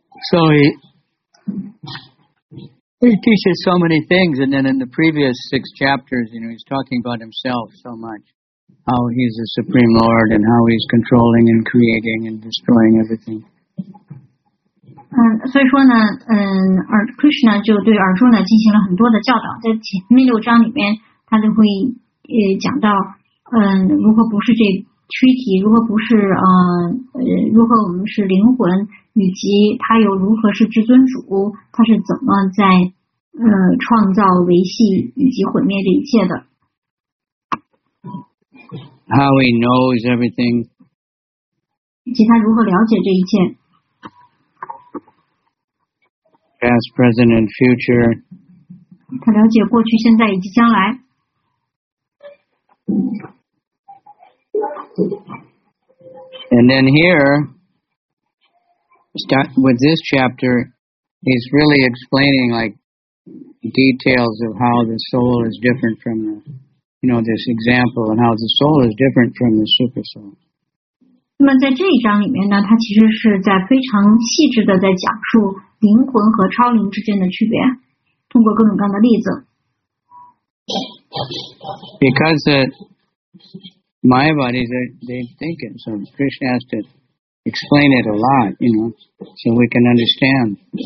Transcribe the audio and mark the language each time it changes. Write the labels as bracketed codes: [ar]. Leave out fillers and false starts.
[en] So he teaches so many things, and then in the previous six chapters, you know, he's talking about himself so much, how he's the supreme lord and how he's controlling and creating and destroying everything. [zh] 所以说呢，Krishna 就对Arjuna进行了很多的教导，在前面六章里面，他就会讲到，如何不是这躯体，如何不是如何我们是灵魂，以及他又如何是至尊主，他是怎么在创造、维系以及毁灭这一切的。 [en] How he knows everything， [zh] 以及他如何了解这一切。 [en] Past, present, and future. [zh] 他了解过去、现在以及将来。 [en] And then here, start with this chapter. He's really explaining like details of how the soul is different from the, you know, this example and how the soul is different from the super soul. [zh] 那么在这一章里面呢，他其实是在非常细致的在讲述灵魂和超灵之间的区别，通过各种各样的例子。 [en] Because the Maya bodies, they think it, so Krishna has to explain it a lot, you know, so we can understand.